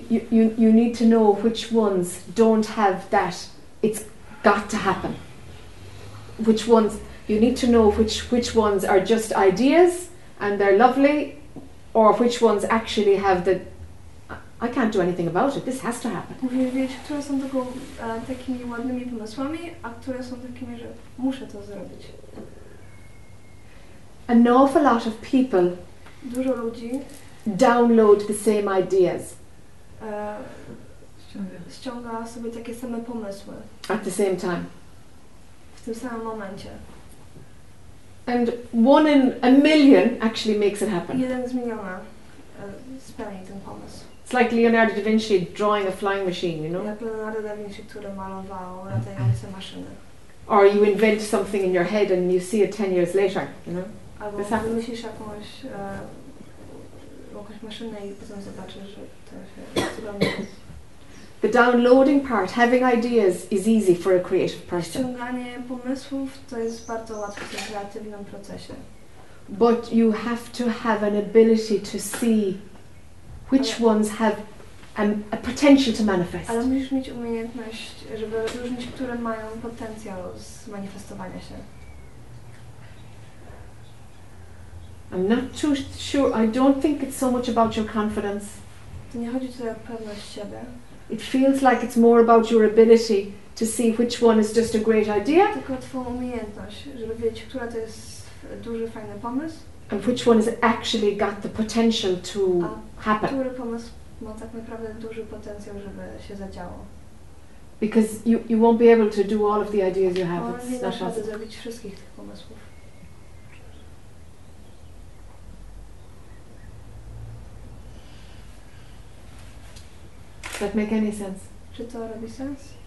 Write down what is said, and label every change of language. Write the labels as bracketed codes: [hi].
[en] You need to know which ones don't have that. It's got to happen. Which ones? You need to know which ones are just ideas and they're lovely, or which ones actually have the. I can't do anything about it. This has to happen. [pl] Wiesz, które są tylko takimi ładnymi pomysłami, a które są takimi, że muszę to zrobić. [en] An awful lot of people. [pl] Dużo ludzi. [en] Download the same ideas. [pl] Ściąga sobie takie same pomysły. [en] At the same time. [pl] W tym samym momencie. [en] And one in a million actually makes it happen. [pl] Jeden z miliona spełni ten pomysł. [en] It's like Leonardo da Vinci drawing a flying machine, you know? [pl] Jak Leonardo da Vinci, który malował latające maszyny. [en] Or you invent something in your head and you see it 10 years later, you know? [pl] Albo wymyślisz jakąś jakąś maszynę i potem zobaczę, że to się [en] The downloading part, having ideas, is easy for a creative person. [pl] Ściąganie pomysłów to jest bardzo łatwe w kreatywnym procesie. [en] But you have to have an ability to see which ones have a potential to manifest. [pl] Ale musisz mieć umiejętność, żeby rozróżnić, które mają potencjał z manifestowania się. [en] I'm not too sure. I don't think it's so much about your confidence. [pl] To nie chodzi tutaj o pewność siebie. [en] It feels like it's more about your ability to see which one is just a great idea. [pl] Tylko twoją umiejętność, żeby wiedzieć, która to jest duży, fajny pomysł. [en] And which one has actually got the potential to happen. [pl] A który pomysł ma tak naprawdę duży potencjał, żeby się zadziało. [en] Because you won't be able to do all of the ideas you have. It's not possible. [pl] Nie da się zrobić wszystkich tych pomysłów. [en] Does that make any sense? [pl] Czy to robi sens?